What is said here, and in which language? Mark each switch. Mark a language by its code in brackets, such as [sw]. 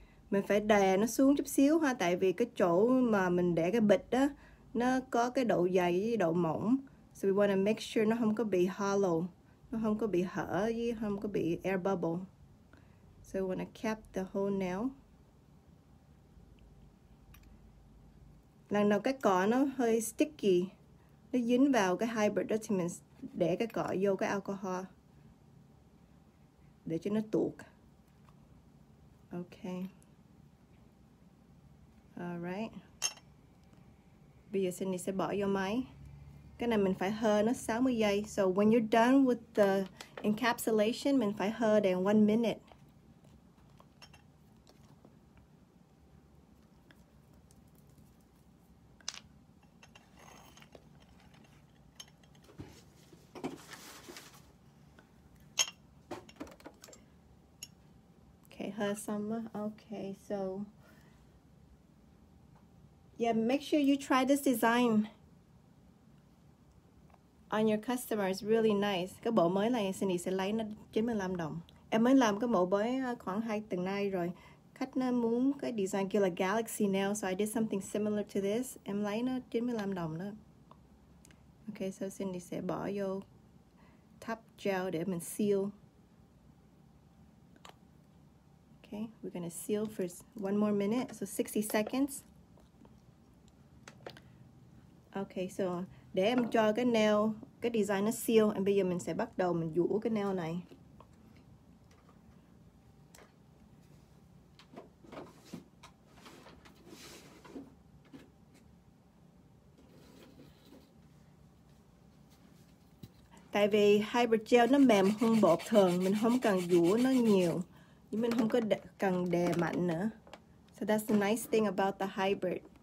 [vi] Mình phải đè nó xuống chút xíu ha. Tại vì cái chỗ mà mình để cái bịch á, nó có cái độ dày với độ mỏng. So [en] we want to make sure [vi] nó không có bị hollow. Nó không có bị hở gì, không có bị air bubble. [en] So I want to cap the whole nail. [vi] Lần đầu cái cọ nó hơi sticky, nó dính vào cái hybrid đó thì mình để cái cọ vô cái alcohol để cho nó tuột. Okay. Alright. Bây giờ Cindy sẽ bỏ vô máy. Cái này mình phải hơ nó 60 giây. [en] So when you're done with the encapsulation, [vi] mình phải hơ đèn [en] 1 minute. huh, Summer? Okay, so yeah, make sure you try this design on your customers. Really nice. [vi] Cái bộ mới này Cindy sẽ lấy nó 95 đồng. Em mới làm cái mẫu mới khoảng 2 tuần nay rồi. Khách nó muốn cái design kia là Galaxy Nail, [en] so I did something similar to this. [vi] Em lấy nó 95 đồng đó. Okay, so Cindy sẽ bỏ vô top gel để mình seal. [en] Okay, we're gonna seal for one more minute, so 60 seconds. [vi] Okay, so để em cho cái nail, cái design nó seal, and bây giờ mình sẽ bắt đầu mình vũ cái nail này. Tại vì hybrid gel nó mềm hơn bột thường, mình không cần vũa nó nhiều, nhưng mình không có cần đè mạnh nữa. [en] So that's the nice thing about the hybrid.